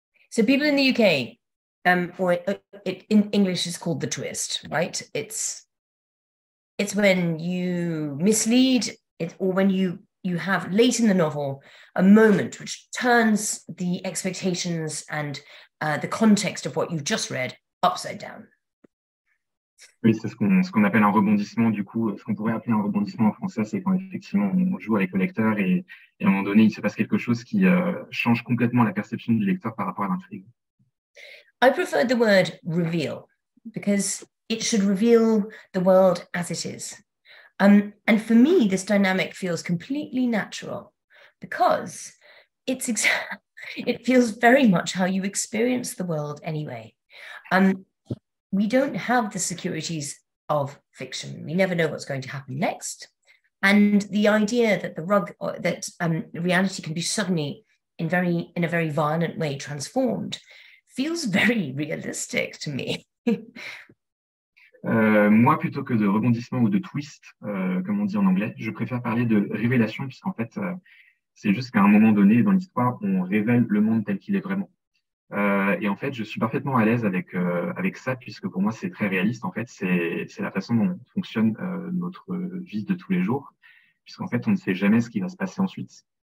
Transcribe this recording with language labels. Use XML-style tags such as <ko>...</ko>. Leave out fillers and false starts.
<en>So people in the UK, in English is called the twist, right? It's when you mislead it, or when you have late in the novel a moment which turns the expectations and the context of what you've just read upside down.</en> <fr>Oui, c'est ce qu'on appelle un rebondissement, du coup. Ce qu'on pourrait appeler un rebondissement en français, c'est quand effectivement on joue avec le lecteur et à un moment donné, il se passe quelque chose qui change complètement la perception du lecteur par rapport à l'intrigue.</fr> <en>I prefer the word reveal because it should reveal the world as it is. And for me, this dynamic feels completely natural because it feels very much how you experience the world anyway. We don't have the securities of fiction. We never know what's going to happen next. And the idea that reality can be suddenly in a very violent way transformed feels very realistic to me.</en> <fr>Moi, plutôt que de rebondissement ou de twist, comme on dit en anglais, je préfère parler de révélation, puisqu'en fait, c'est juste qu'à un moment donné dans l'histoire, on révèle le monde tel qu'il est vraiment. Et en fait, je suis parfaitement à l'aise avec ça, puisque pour moi, c'est très réaliste. En fait, c'est la façon dont fonctionne notre vie de tous les jours, puisqu'en fait, on ne sait jamais ce qui va se passer ensuite.</fr>